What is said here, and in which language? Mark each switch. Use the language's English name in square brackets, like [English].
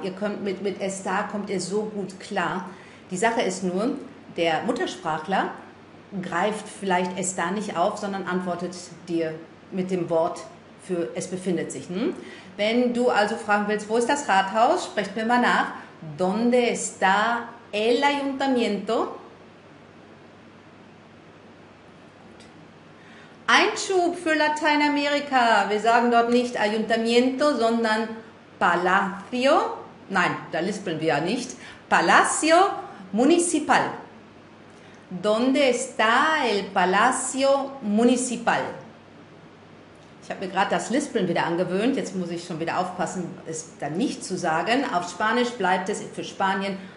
[German] Ihr könnt mit Esther kommt ihr so gut klar. Die Sache ist nur, der Muttersprachler greift vielleicht Esther nicht auf, sondern antwortet dir mit dem Wort für es befindet sich. Hm? Wenn du also fragen willst, wo ist das Rathaus, sprecht mir mal nach. [Spanish] ¿Dónde está el ayuntamiento? [German] Einschub für Lateinamerika. Wir sagen dort nicht Ayuntamiento, sondern Palacio. Nein, da lispeln wir ja nicht. [Spanish] Palacio Municipal. ¿Dónde está el Palacio Municipal? [German] Ich habe mir gerade das Lispeln wieder angewöhnt. Jetzt muss ich schon wieder aufpassen, es dann nicht zu sagen. Auf Spanisch bleibt es für Spanien.